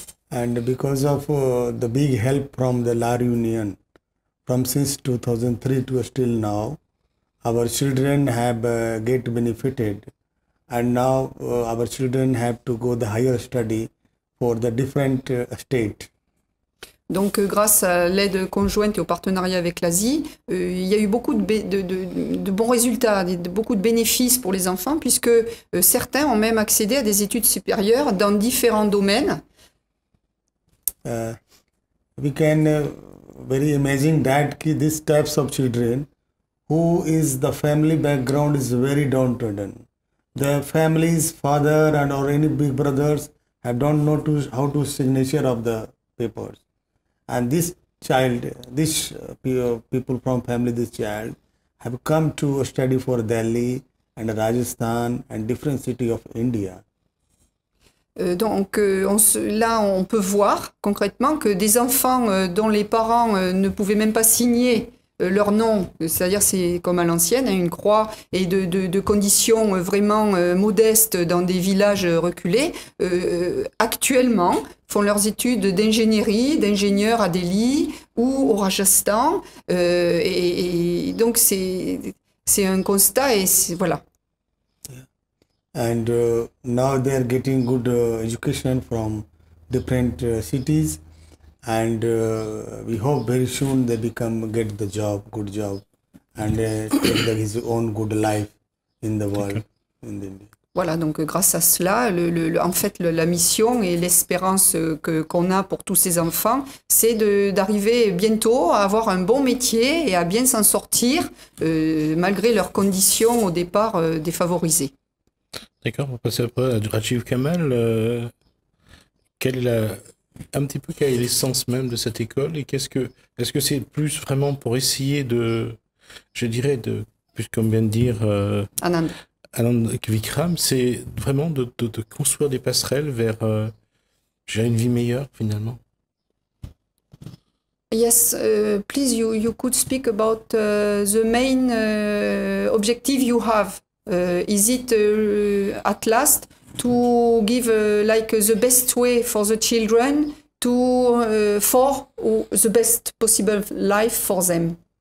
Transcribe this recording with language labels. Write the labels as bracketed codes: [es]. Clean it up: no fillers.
[en] And because of the big help from the Lar Union, from since 2003 to still now, our children have get benefited, and now our children have to go the higher study for the different state. [fr] Donc, grâce à l'aide conjointe et au partenariat avec l'ASI, il y a eu beaucoup de bons résultats, beaucoup de bénéfices pour les enfants, puisque certains ont même accédé à des études supérieures dans différents domaines. [en] We can very imagine that these types of children, who is the family background is very downtrodden. The family's father and or any big brothers have don't know to how to signature of the papers. And this child, this people from family, this child have come to study for Delhi and Rajasthan and different city of India. [fr] On peut voir concrètement que des enfants dont les parents ne pouvaient même pas signer leur nom, c'est-à-dire c'est comme à l'ancienne, hein, une croix, et de conditions vraiment modestes dans des villages reculés, actuellement font leurs études d'ingénierie, d'ingénieur à Delhi ou au Rajasthan. Et donc c'est un constat et c'est, voilà. [en] and now they are getting good education from different cities, and we hope very soon they become get the job, good job, and take his own good life in the world, in the India. [fr] Voilà, donc grâce à cela, la mission et l'espérance qu'on a pour tous ces enfants, c'est d'arriver bientôt à avoir un bon métier et à bien s'en sortir, malgré leurs conditions au départ défavorisées. D'accord, on va passer après à Rajiv Kamal. Quelle est quelle est l'essence même de cette école, et est-ce que c'est plus vraiment pour essayer de, je dirais, de, puisqu'on vient de dire... Anand. Alan Vikram, c'est vraiment de construire des passerelles vers une vie meilleure finalement. [en] Yes, please, you could speak about the main objective you have. Is it at last to give the best way for the children to for the best possible life for them?